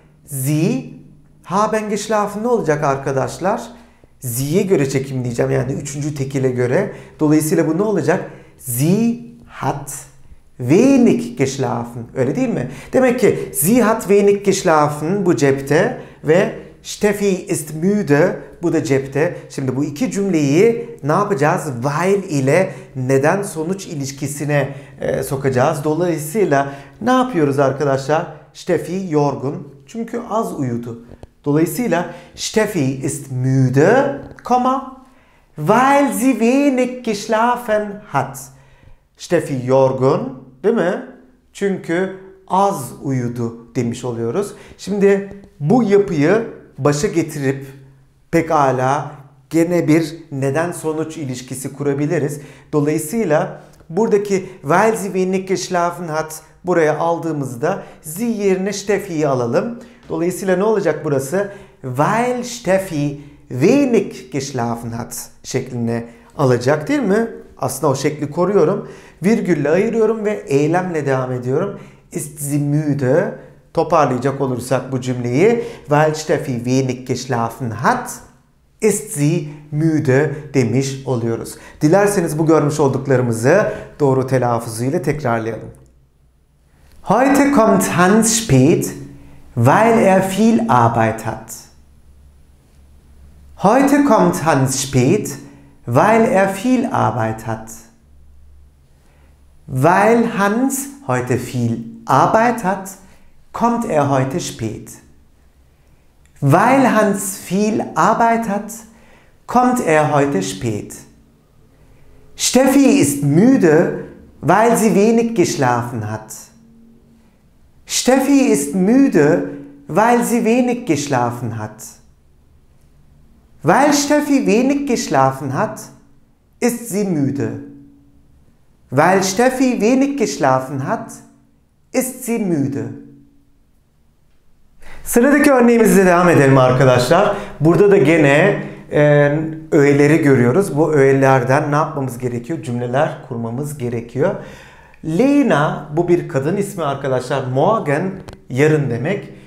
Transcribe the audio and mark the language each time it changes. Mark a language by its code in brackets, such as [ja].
[de] Sie haben geschlafen [tr] ne olacak arkadaşlar? Sie'ye göre çekimleyeceğim. Yani üçüncü tekile göre. Dolayısıyla bu ne olacak? [de] Sie hat wenig geschlafen. [tr] Öyle değil mi? Demek ki [de] sie hat wenig geschlafen [tr] bu cepte ve [de] Steffi ist müde [tr] bu da cepte. Şimdi bu iki cümleyi ne yapacağız? While ile neden sonuç ilişkisine sokacağız. Dolayısıyla ne yapıyoruz arkadaşlar? Steffi yorgun. Çünkü az uyudu. Dolayısıyla [de] Steffi ist müde, weil sie wenig geschlafen hat. [tr] Steffi yorgun, değil mi? Çünkü az uyudu demiş oluyoruz. Şimdi bu yapıyı başa getirip pekala gene bir neden sonuç ilişkisi kurabiliriz. Dolayısıyla buradaki [de] weil sie wenig geschlafen hat [tr] buraya aldığımızda sie yerine Steffi'yi alalım. Dolayısıyla ne olacak burası? [de] Weil Steffi wenig geschlafen hat [tr] şeklini alacak değil mi? Aslında o şekli koruyorum. Virgülle ayırıyorum ve eylemle devam ediyorum. [de] Ist sie müde? [tr] Toparlayacak olursak bu cümleyi. [de] Weil Steffi wenig geschlafen hat. Ist sie müde [tr] demiş oluyoruz. Dilerseniz bu görmüş olduklarımızı doğru telaffuzuyla tekrarlayalım. [de] Heute kommt Hans spät. Weil viel Arbeit hat. Heute kommt Hans spät, weil viel Arbeit hat. Weil Hans heute viel Arbeit hat, kommt heute spät. Weil Hans viel Arbeit hat, kommt heute spät. Steffi ist müde, weil sie wenig geschlafen hat. Steffi ist müde, weil sie wenig geschlafen hat. Weil Steffi wenig geschlafen hat, ist sie müde. Weil Steffi wenig geschlafen hat, ist sie müde. [tr] Sıradaki örneğimizle devam edelim arkadaşlar. Burada da gene öğeleri görüyoruz. Bu öğelerden ne yapmamız gerekiyor? Cümleler kurmamız gerekiyor. Lena, bu bir kadın ismi arkadaşlar. Morgen, yarın demek.